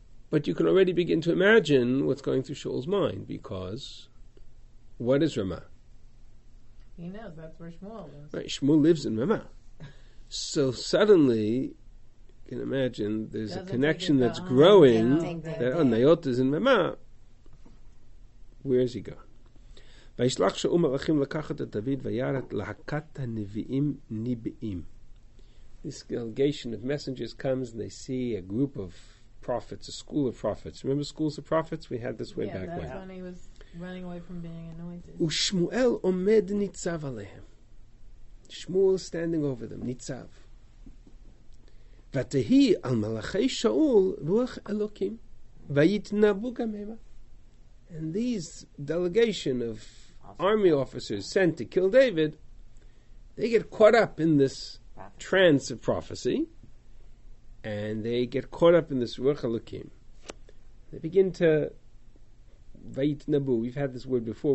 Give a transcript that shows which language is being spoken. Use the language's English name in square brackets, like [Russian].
[English] But you can already begin to imagine what's going through Shaul's mind, because what is Ramah? He knows that's where Shmuel lives. Right, Shmuel lives in Ramah. So suddenly, you can imagine there's doesn't a connection that's growing. That Nayot is in Ramah. Where is he going? [Hebrew] וישלח שאול מלאכים לקחת את דוד ויער את להקת הנביאים ניבאים. [English] This delegation of messengers comes and they see a group of prophets, a school of prophets. Remember schools of prophets? We had this way back when. Yeah, that's when he was running away from being anointed. [Hebrew] ושמואל עומד ניצב עליהם. [English] Shmuel standing over them, ניצב. [Hebrew] ותהי על מלאכי שאול רוח אלוקים. ויתנבו גם הם. [English] And these delegation of army officers sent to kill David, they get caught up in this trance of prophecy, and they get caught up in this Ruach Elokim. They begin to vayitnabu. We've had this word before.